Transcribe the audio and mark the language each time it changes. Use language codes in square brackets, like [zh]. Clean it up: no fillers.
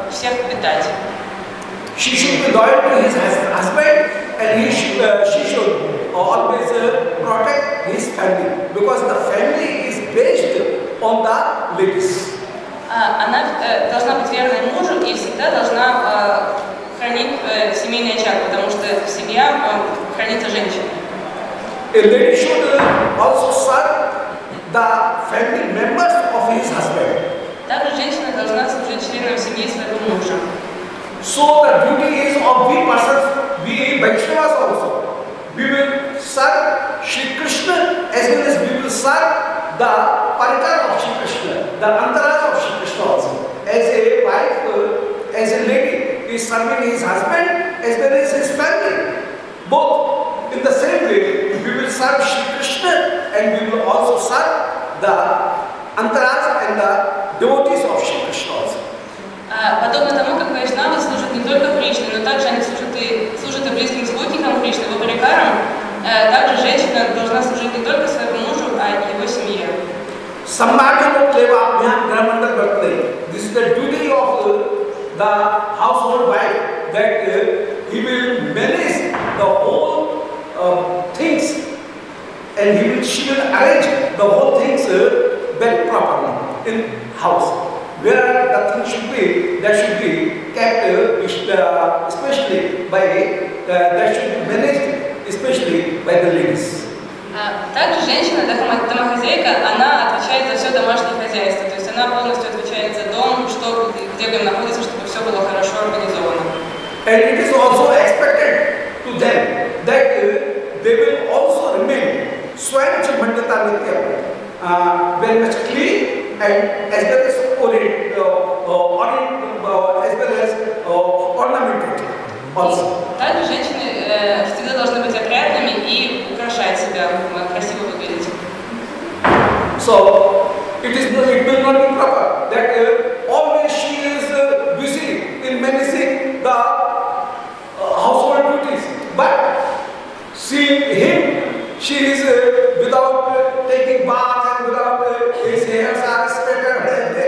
[en] She should be loyal to his husband and she should always protect his family because the family is based on the ladies. [ru] Она должна быть верной мужу и всегда должна хранить семейный очаг, потому что в семье хранится женщина. [en] A lady should also serve the family members of his husband. [ru] Также женщина должна служить членом семьи своего мужа. [en] So the duty is of we persons, we Vaishnavas also. We will serve Shri Krishna as well as we will serve the parikara of Shri Krishna, the antaras of Shri Krishna also. As a wife, as a lady, he is serving his husband as well as his family. Both in the same way, we will serve Shri Krishna and we will also serve the antaras and the devotees of Shri Krishna also. [ru] Подобно тому, как Вайшнавы служат не только Кришне, но также они служат и близким спутникам Кришны, Бабарикарам, также женщина должна служить не только своему мужу, а и его семье. [sa] Самбаджана Клева Абхиан Грамандра Бхатне. [en] This is the duty of the household wife that he will manage the whole things and she will arrange the whole things very properly in house. Where the thing should be, that should be kept especially by that should be managed especially by the ladies. [ru] Также женщина, домохозяйка, она отвечает за все домашнее хозяйство. То есть она полностью отвечает за дом, что где он находится, чтобы все было хорошо организовано. [en] And it is also expected to them that they will also remain [sa] swachh bhandata nitya, [en] very much clean. And as well as ornamented also. [ru] Также женщины всегда должны быть опрятными и украшать себя, красиво выглядеть. [en] So it will not be proper that always she is busy in managing the household duties, but she is without taking bath and without his hair.